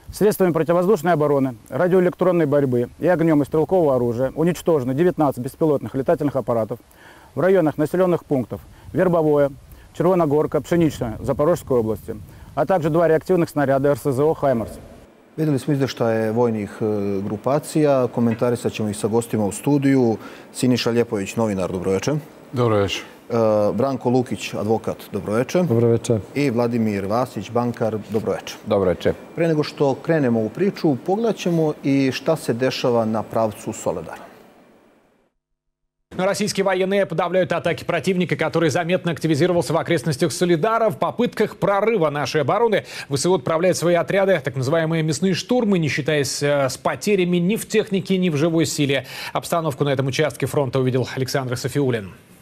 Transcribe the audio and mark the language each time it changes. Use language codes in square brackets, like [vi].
[ru] Средствами противовоздушной обороны, радиоэлектронной борьбы и огнем из стрелкового оружия уничтожено 19 беспилотных летательных аппаратов в районах населенных пунктов Вербовое, Червоногорка, Пшеничная, Запорожской области, а также 2 реактивных снаряда РСЗО «Хаймарс». [sr] Videli smo izveštaje vojnih grupacija, komentarisat ćemo ih sa gostima u studiju. Siniša Ljepović, novinar, dobroveče. Dobroveče. Branko Lukić, advokat, dobroveče. Dobroveče. I Vladimir Vasić, bankar, dobroveče. Dobroveče. Pre nego što krenemo u priču, pogledat ćemo i šta se dešava na pravcu Soledara. [ru] Российские военные подавляют атаки противника, который заметно активизировался в окрестностях Солидара. В попытках прорыва нашей обороны ВСУ отправляет свои отряды, так называемые мясные штурмы, не считаясь с потерями ни в технике, ни в живой силе. Обстановку на этом участке фронта увидел Александр Софиулин.